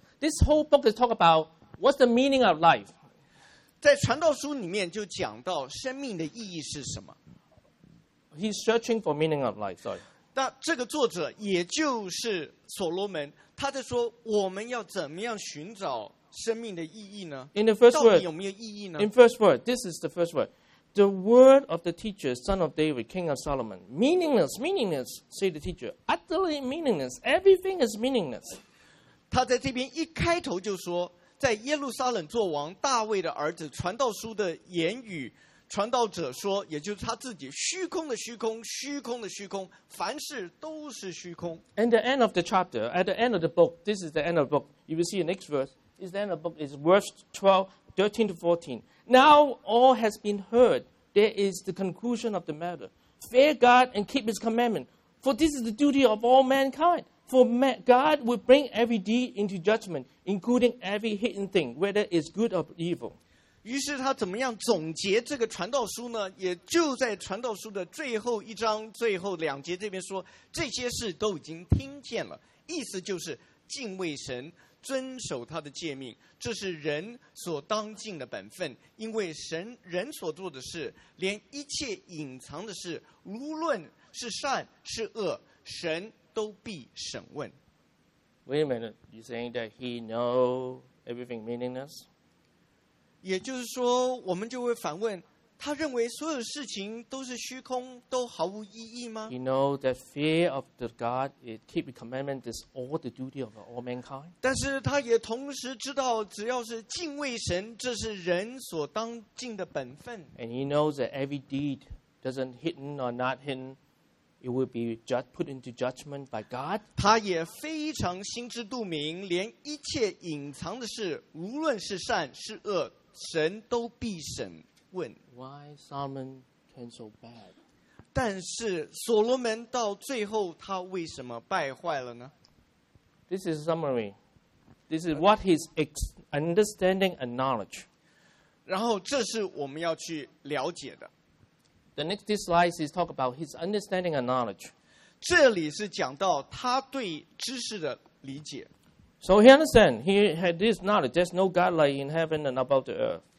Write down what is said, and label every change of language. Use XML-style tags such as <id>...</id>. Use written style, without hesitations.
<en>This whole book is talk about what's the meaning of life.</en> <zh>在传道书里面就讲到生命的意义是什么。</zh> <en>He's searching for meaning of life, sorry.</en> <zh>那这个作者也就是所罗门，他在说我们要怎么样寻找生命的意义呢？</zh> <en>In the first word,</en> <zh>到底有没有意义呢？</zh> <en>In first word, this is the first word. The word of the teacher, son of David, king of Solomon. Meaningless, meaningless, say the teacher. Utterly meaningless. Everything is meaningless.</en> <zh>他在这边一开头就说，在耶路撒冷作王大卫的儿子传道书的言语，传道者说，也就是他自己，虚空的虚空，虚空的虚空，凡事都是虚空。</zh> <en>And the end of the chapter, at the end of the book, this is the end of the book. You will see the next verse. This is the end of the book. It's verse 12:13-14. Now all has been heard. There is the conclusion of the matter. Fear God and keep His commandment. For this is the duty of all mankind. For God will bring every deed into judgment, including every hidden thing, whether it's good or evil.</en> <zh>于是他怎么样总结这个传道书呢？也就在传道书的最后一章、最后两节这边说，这些事都已经听见了。意思就是敬畏神，遵守他的诫命，这是人所当尽的本分。因为神人所做的事，连一切隐藏的事，无论是善是恶，神都必审问。</zh> <en>Wait a minute, you saying that he know everything meaningless?</en> <zh>也就是说，我们就会反问：他认为所有事情都是虚空，都毫无意义吗</zh> <en>？He know that fear of the God, it keep the commandment, is all the duty of all mankind.</en> <zh>但是他也同时知道，只要是敬畏神，这是人所当尽的本分。</zh> <en>And he knows that every deed doesn't hidden or not hidden. It will be put into judgment by God.</en> <zh>他也非常心知肚明，连一切隐藏的事，无论是善是恶，神都必审问。</zh> <en>Why Solomon turned so bad?</en> <zh>但是所罗门到最后，他为什么败坏了呢？</zh> <en>This is a summary. This is what his understanding and knowledge.</en> <zh>然后这是我们要去了解的。</zh> <en>The next slide is talk about his understanding and knowledge.</en> <zh>这里是讲到他对知识的理解。</zh> <en>So he understand, he had this knowledge. There's no God like in heaven and above the earth.</en>